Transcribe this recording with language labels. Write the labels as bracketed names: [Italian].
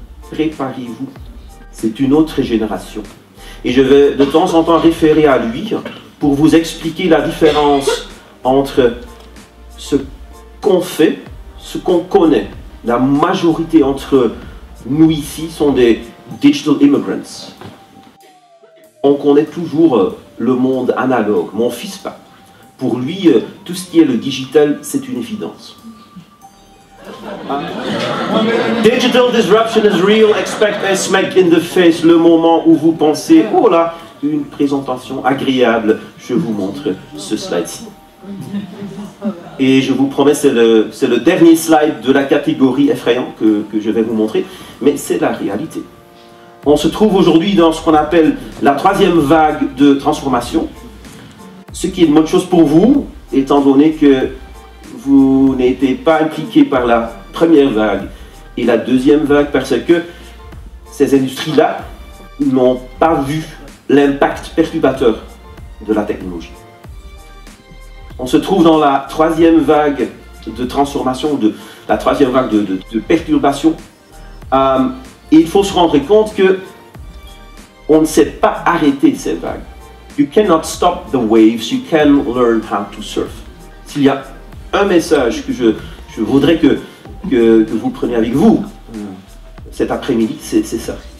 [French] Préparez-vous, c'est une autre génération. Et je vais de temps en temps référer à lui pour vous expliquer la différence entre ce qu'on fait, ce qu'on connaît. La majorité entre nous ici sont des digital immigrants. On connaît toujours le monde analogue, mon fils pas. Pour lui, tout ce qui est le digital, c'est une évidence. [English] Digital disruption is real, expect a smack in the face. [French] Le moment où vous pensez, oh là, une présentation agréable, je vous montre ce slide-ci. Et je vous promets, c'est le dernier slide de la catégorie effrayant que je vais vous montrer, mais c'est la réalité. On se trouve aujourd'hui dans ce qu'on appelle la troisième vague de transformation. Ce qui est une bonne chose pour vous, étant donné que vous n'étiez pas impliqué par la première vague et la deuxième vague, parce que ces industries-là n'ont pas vu l'impact perturbateur de la technologie. On se trouve dans la troisième vague de transformation, la troisième vague de perturbation. Et il faut se rendre compte que on ne sait pas arrêter ces vagues. [English] You cannot stop the waves, you can learn how to surf. [French] S'il y a un message que je voudrais que vous preniez avec vous cet après-midi, c'est ça.